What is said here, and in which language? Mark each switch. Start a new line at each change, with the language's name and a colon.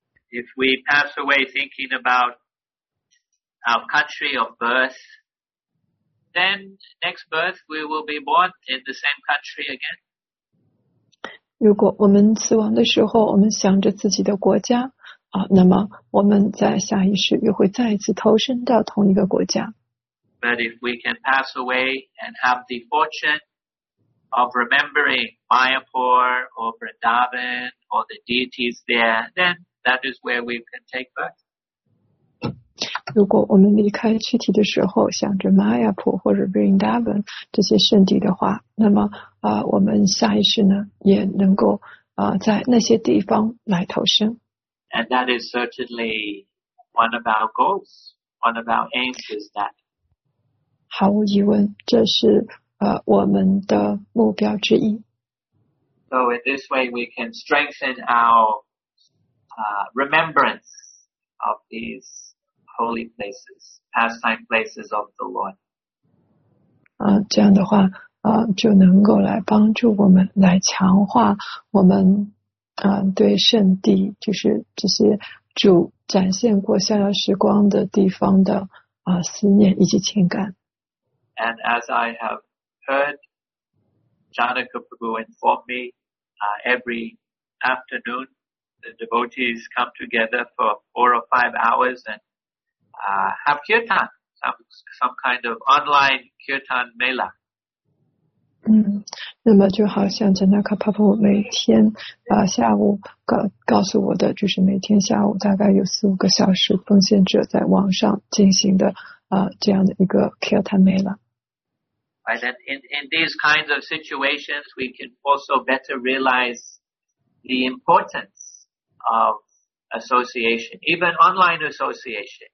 English: If we pass away thinking about our country of birth, then next birth we will be born in the same country again.
Chinese: 如果我们死亡的时候，我们想着自己的国家那么我们在下一世又会再一次投身到同一个国家。
English: But if we can pass away and have the fortune of remembering Mayapur or Vrindavan or the deities there, then that is where we can take birth.
Chinese: 如果我们离开躯体的时候想着 Mayapur 或者 Vrindavan 这些圣地的话，那么我们下一世呢也能够在那些地方来投生。
English: And that is certainly one of our goals, one of our aims is that.
Chinese: 毫无疑问，这是我们的目标之一。
English: So in this way, we can strengthen our remembrance of these holy places, pastime places of the Lord.
Chinese: 这样的话就能够来帮助我们，来强化我们对圣地，就是这些主展现过逍遥时光的地方的思念以及情感。
English: And as I have heard Janaka Prabhu inform me, every afternoon, the devotees come together for 4 or 5 hours and have kirtan, some kind of online kirtan mela.
Chinese: 那么就好像在那卡帕普每天下午告诉我的，就是每天下午大概有4-5个小时奉献者在网上进行的这样的一个kirtan mela。
English: And then in these kinds of situations, we can also better realize the importance of association, even online association.